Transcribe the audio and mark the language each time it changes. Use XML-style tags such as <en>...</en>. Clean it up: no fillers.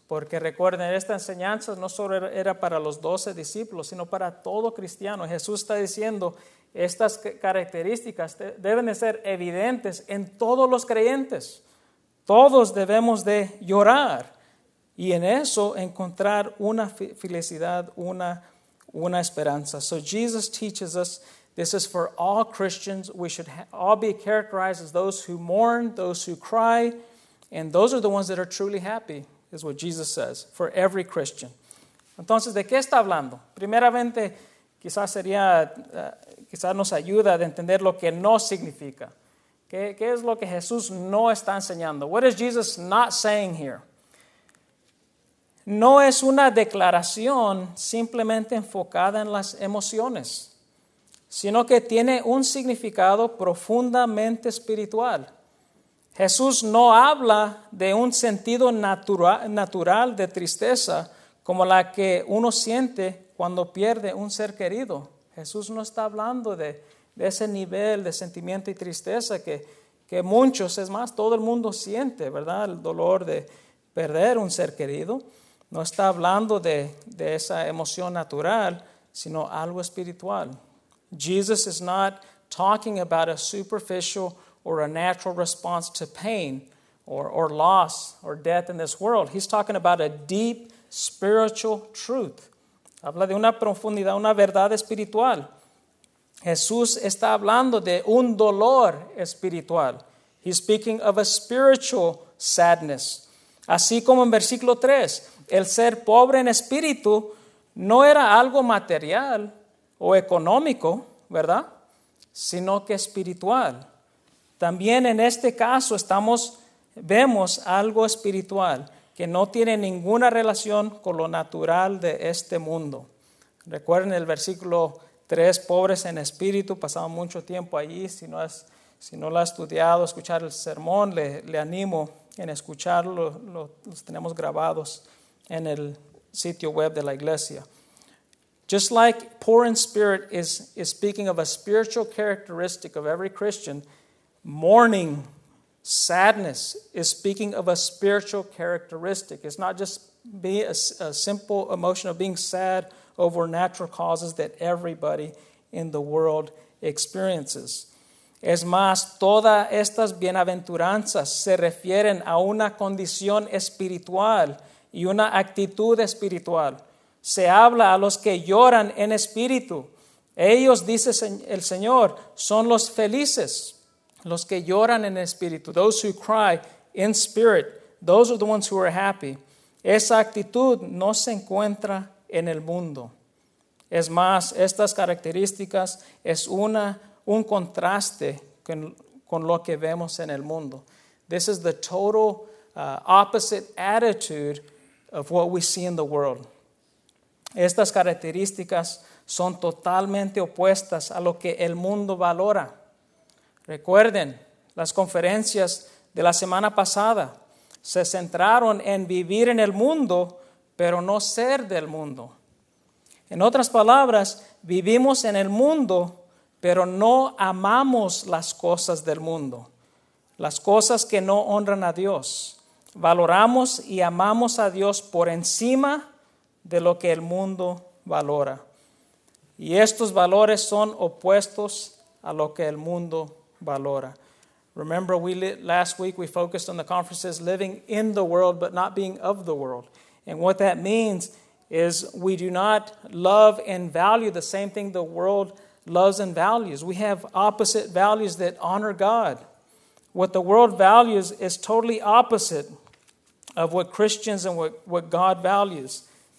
<es>Porque recuerden, esta enseñanza no solo era para los 12 discípulos, sino para todo cristiano. Jesús está diciendo, estas características deben de ser evidentes en todos los creyentes. Todos debemos de llorar y en eso encontrar una felicidad, una esperanza.</es> <en>So Jesus teaches us, this is for all Christians. We should all be characterized as those who mourn, those who cry, and those are the ones that are truly happy, is what Jesus says, for every Christian.</en> <es>Entonces, ¿de qué está hablando? Primeramente, quizás sería, quizás nos ayuda a entender lo que no significa. ¿Qué es lo que Jesús no está enseñando?</es> <en>What is Jesus not saying here?</en> <es>No es una declaración simplemente enfocada en las emociones, sino que tiene un significado profundamente espiritual. Jesús no habla de un sentido natural de tristeza como la que uno siente cuando pierde un ser querido. Jesús no está hablando de ese nivel de sentimiento y tristeza que muchos, es más, todo el mundo siente, ¿verdad? El dolor de perder un ser querido. No está hablando de esa emoción natural, sino algo espiritual.</es> <en>Jesus is not talking about a superficial or a natural response to pain or loss or death in this world. He's talking about a deep spiritual truth.</en> <es>Habla de una profundidad, una verdad espiritual. Jesús está hablando de un dolor espiritual.</es> <en>He's speaking of a spiritual sadness.</en> <es>Así como en versículo 3, el ser pobre en espíritu no era algo material o económico, ¿verdad? Sino que espiritual. También en este caso vemos algo espiritual que no tiene ninguna relación con lo natural de este mundo. Recuerden el versículo 3, pobres en espíritu, pasamos mucho tiempo allí. Si no lo ha estudiado, escuchar el sermón, le animo en escucharlo. Los tenemos grabados en el sitio web de la iglesia.</es> <en>Just like poor in spirit is speaking of a spiritual characteristic of every Christian, mourning, sadness, is speaking of a spiritual characteristic. It's not just a simple emotion of being sad over natural causes that everybody in the world experiences.</en> <es>Es más, todas estas bienaventuranzas se refieren a una condición espiritual y una actitud espiritual. Se habla a los que lloran en espíritu. Ellos, dice el Señor, son los felices, los que lloran en espíritu.</es> <en>Those who cry in spirit, those are the ones who are happy.</en> <es>Esa actitud no se encuentra en el mundo. Es más, estas características es un contraste con lo que vemos en el mundo.</es> <en>This is the total opposite attitude of what we see in the world.</en> <es>Estas características son totalmente opuestas a lo que el mundo valora. Recuerden, las conferencias de la semana pasada se centraron en vivir en el mundo, pero no ser del mundo. En otras palabras, vivimos en el mundo, pero no amamos las cosas del mundo, las cosas que no honran a Dios. Valoramos y amamos a Dios por encima de lo que el mundo valora. Y estos valores son opuestos a lo que el mundo valora.</es> <en>Remember, last week we focused on the conferences living in the world but not being of the world. And what that means is we do not love and value the same thing the world loves and values. We have opposite values that honor God. What the world values is totally opposite of what Christians and what God values.</en>